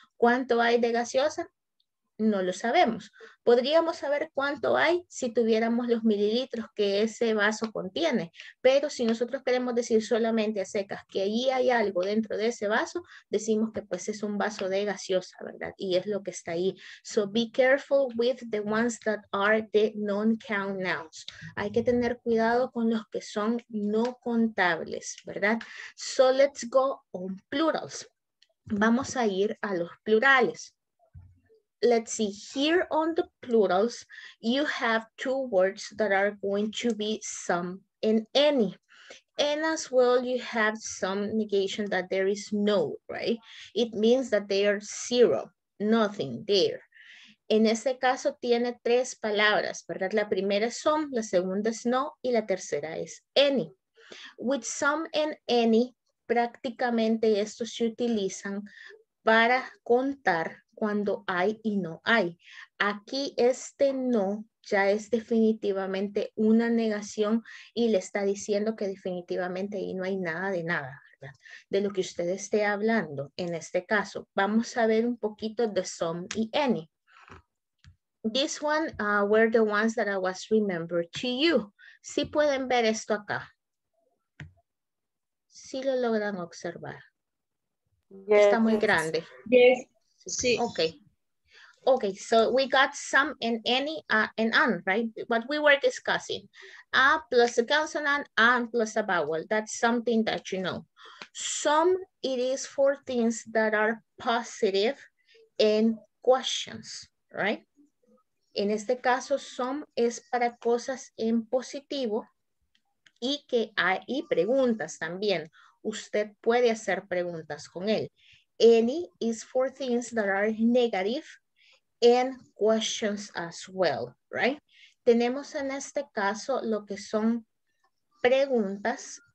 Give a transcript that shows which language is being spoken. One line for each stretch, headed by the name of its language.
Spanish: ¿Cuánto hay de gaseosa? No lo sabemos. Podríamos saber cuánto hay si tuviéramos los mililitros que ese vaso contiene. Pero si nosotros queremos decir solamente a secas que allí hay algo dentro de ese vaso, decimos que pues es un vaso de gaseosa, ¿verdad? Y es lo que está ahí.
English: So be careful with the ones that are the non-count nouns.
Spanish: Hay que tener cuidado con los que son no contables, ¿verdad?
English: So let's go on plurals.
Spanish: Vamos a ir a los plurales.
English: Let's see, here on the plurals, you have two words that are going to be some and any. And as well, you have some negation that there is no, right? It means that they are zero, nothing there.
Spanish: En ese caso, tiene tres palabras, ¿verdad? La primera es some, la segunda es no, y la tercera es any.
English: With some and any,
Spanish: prácticamente estos se utilizan para contar cuando hay y no hay. Aquí este no ya es definitivamente una negación y le está diciendo que definitivamente ahí no hay nada de nada, ¿verdad? De lo que usted esté hablando en este caso. Vamos a ver un poquito de some y any.
English: This one were the ones that I was remembered to you.
Spanish: ¿Sí pueden ver esto acá? ¿Sí lo logran observar?
English: Yes.
Spanish: Está muy grande. Yes. Sí.
English: Okay. Okay, so we got some and any and an, right? What we were discussing. A plus a consonant, an plus a vowel. That's something that you know. Some, it is for things that are positive and questions, right?
Spanish: En este caso, some es para cosas en positivo y que hay preguntas también. Usted puede hacer preguntas con él.
English: Any is for things that are negative and questions as well, right?
Spanish: Tenemos en este caso lo que son preguntas